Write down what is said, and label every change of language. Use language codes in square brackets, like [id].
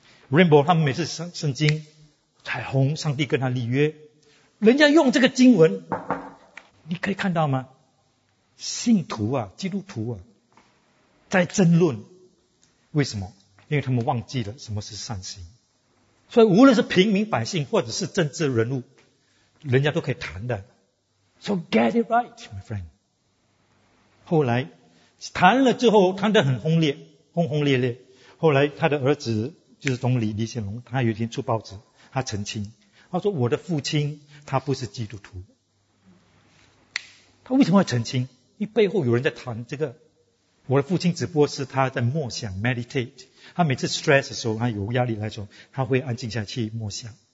[zh] rainbow 他们每次圣经彩虹，上帝跟他立约，人家用这个经文，你可以看到吗？信徒啊，基督徒啊。在争论，为什么？因为他们忘记了什么是善行。所以无论是平民百姓或者是政治人物，人家都可以谈的。 [en] So get it right, my friend. [zh] 后来谈了之后，谈得很轰烈，轰轰烈烈。后来他的儿子就是总理李显龙，他有一天出报纸，他澄清，他说我的父亲他不是基督徒。他为什么要澄清？因为背后有人在谈这个。我的父亲只不过是他在默想 meditate， 他每次 stress 的时候，他有压力来说，他会安静下去默想。